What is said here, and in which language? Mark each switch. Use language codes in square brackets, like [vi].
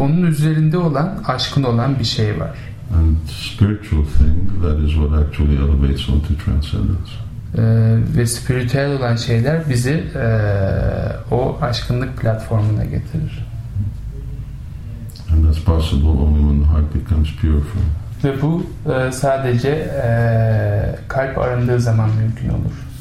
[tr] Onun üzerinde olan, aşkın olan bir şey var. [en] And spiritual thing, that is what actually elevates onto transcendence. [tr] Ve spiritüel olan şeyler bizi o aşkınlık platformuna getirir. [en] And that's possible only when the heart becomes pure from. [tr] Ve bu sadece kalp arındığı zaman mümkün olur.